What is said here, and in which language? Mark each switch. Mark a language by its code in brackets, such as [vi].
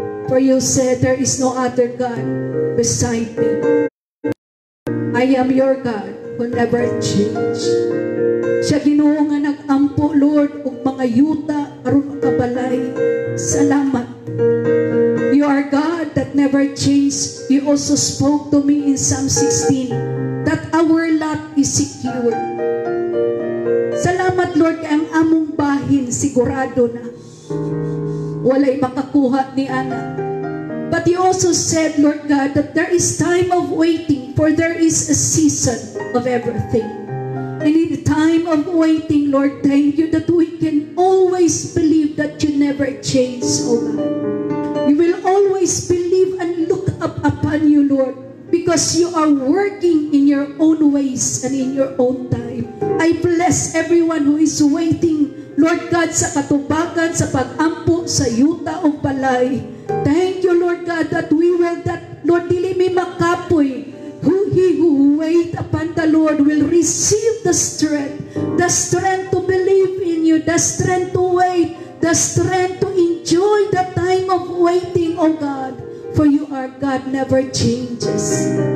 [en] For you said, there is no other God beside me. I am your God who never change. [ceb] Siya Ginoo nga nag-ampo, Lord, og mga yuta, aron makabalay. Salamat. [en] You are God that never changes. You also spoke to me in Psalm 16 that our lot is secure. [ceb] Salamat, Lord, kay ang among bahin sigurado na. Walay makakuha ni ana. [en] But you also said, Lord God, that there is time of waiting for there is a season of everything. And in the time of waiting, Lord, thank you that we can always believe that you never change, O God. You will always believe and look up upon you, Lord, because you are working in your own ways and in your own time. I bless everyone who is waiting, Lord God, [ceb] sa katubagan, sa pag-ampo, sa yuta o palay. [en] Thank you, Lord God, that we will, that Lord, [ceb] dili mi makapoy. [en] He who wait upon the Lord will receive the strength to believe in you, the strength to wait, the strength to engage. enjoy the time of waiting, O God, for you are God, never changes.